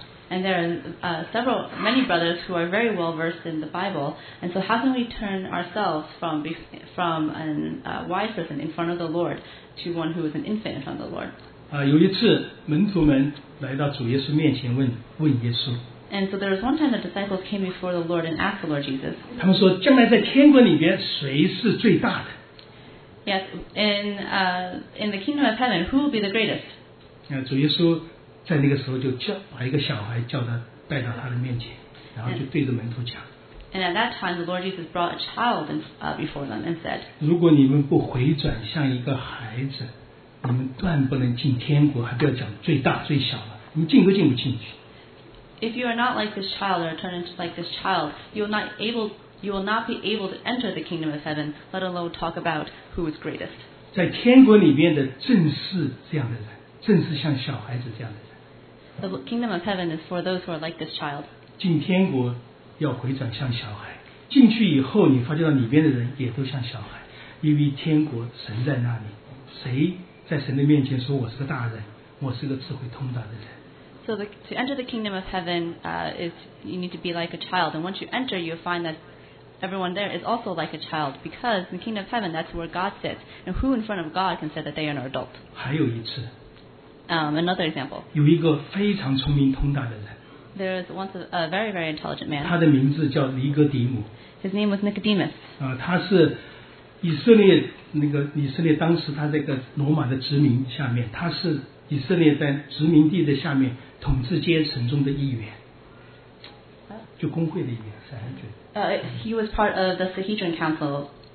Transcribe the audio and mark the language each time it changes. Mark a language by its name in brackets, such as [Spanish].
[English] And there are many brothers who are very well versed in the Bible. And so, how can we turn ourselves from a wise person in front of the Lord to one who is an infant in front of the Lord? [Chinese] 有一次门徒们来到主耶稣面前问耶稣。 [English] And so there was one time the disciples came before the Lord and asked the Lord Jesus. [Chinese] 他们说，将来在天国里边谁是最大的 [English] ？Yes, in the kingdom of heaven, who will be the greatest? [Chinese] 主耶稣。在那个时候就把一个小孩叫他带到他的面前然后就对着门徒讲 [English] And at that time the Lord Jesus brought a child before them and said [Chinese] 如果你们不回转像一个孩子你们断不能进天国还不要讲最大最小了你进归进不进去。 [English] If you are not like this child or turn into like this child, you will not be able to enter the kingdom of heaven, let alone talk about who is greatest. [Chinese] 在天国里面的正是这样的人，正是像小孩子这样的人。 [English] The kingdom of heaven is for those who are like this child. [Chinese] 进天国要回转像小孩，进去以后你发觉到里面的人也都像小孩，因为天国神在那里，谁在神的面前说我是个大人，我是个智慧通达的人。 [English] So to enter the kingdom of heaven, you need to be like a child. And once you enter, you find that everyone there is also like a child. Because in the kingdom of heaven, that's where God sits. And who in front of God can say that they are an adult? [Chinese] 还有一次。 [English] Another example. [Chinese] 有一个非常聪明通达的人。 [English] There was once a very, very intelligent man. [Chinese] 他的名字叫尼哥底母。 [English] His name was Nicodemus. [Chinese] 他是以色列那个以色列当时他这个罗马的殖民下面，他是。以色列在殖民地的下面统治阶层中的一员，就工会的一员。 [English] He was part of the Sanhedrin Council.